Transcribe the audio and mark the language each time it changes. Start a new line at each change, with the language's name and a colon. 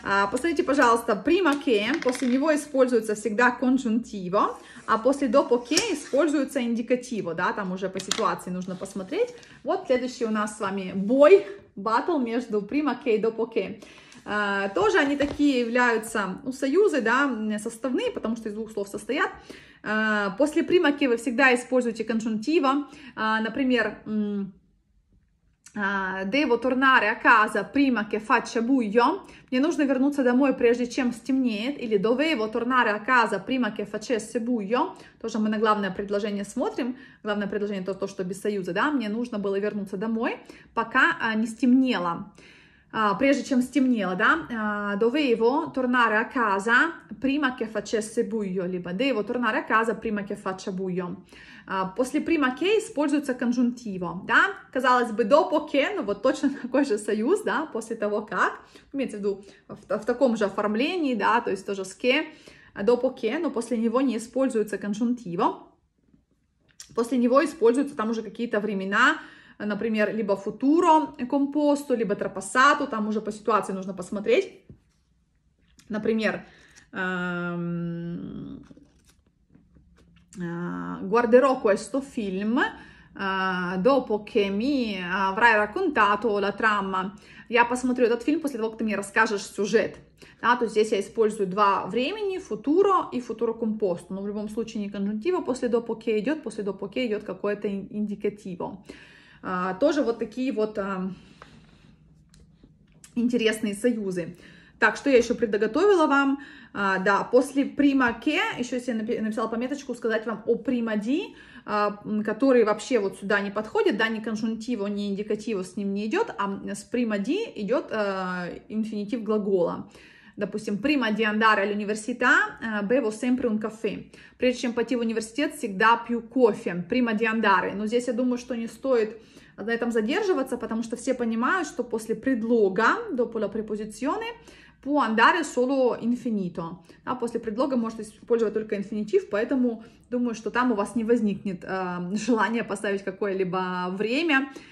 Russian: Посмотрите, пожалуйста, prima che, после него используется всегда конжунктиво, а после dopo che используется индикативо, да, там уже по ситуации нужно посмотреть. Вот следующий у нас с вами бой, battle между prima che и dopo che. Тоже они такие являются, ну, союзы, да, составные, потому что из двух слов состоят. После
Italian: prima che
Russian: вы всегда используете конжунктиво, например,
Italian: Devo tornare a casa prima che faccia buio.
Russian: Мне нужно вернуться домой, прежде чем стемнеет.
Italian: Или dovevo tornare a casa prima che facesse buio.
Russian: Тоже мы на главное предложение смотрим. Главное предложение то, что без союза, да? Мне нужно было вернуться домой, пока не стемнело. Прежде чем стемнело, да?
Italian: Dovevo tornare a casa prima che facesse buio.
Russian: Либо
Italian: devo tornare a casa prima che faccia buio.
Russian: После prima che используется конжунктиво, да? Казалось бы, dopo che, ну вот точно такой же союз, да? После того как, имеется в виду в таком же оформлении, да? То есть тоже с che, dopo che, но после него не используется конжунктиво. После него используются там уже какие-то времена, например, либо futuro composto, либо trapassato, там уже по ситуации нужно посмотреть. Например,
Italian: guarderò questo film dopo che mi avrai raccontato la trama.
Russian: Я посмотрю этот фильм после того, как ты мне расскажешь сюжет. Да, то есть здесь я использую два времени, futuro и futuro composto. Но в любом случае не конжунктиво, после dopo che идет какое-то индикативо. Тоже вот такие вот интересные союзы. Так, что я еще предоготовила вам? Да, после prima che, еще себе написала пометочку, сказать вам о prima di, который вообще вот сюда не подходит, да, ни конжунктиво, ни индикативо с ним не идет, а с prima di идет инфинитив глагола. Допустим,
Italian: prima di andare all'università, bevo sempre un caffè.
Russian: Прежде чем пойти в университет, всегда пью кофе.
Italian: Prima di andare.
Russian: Но здесь я думаю, что не стоит на этом задерживаться, потому что все понимают, что после предлога,
Italian: dopo la preposizione, può andare solo infinito.
Russian: А после предлога можете использовать только инфинитив, поэтому думаю, что там у вас не возникнет желания поставить какое-либо время.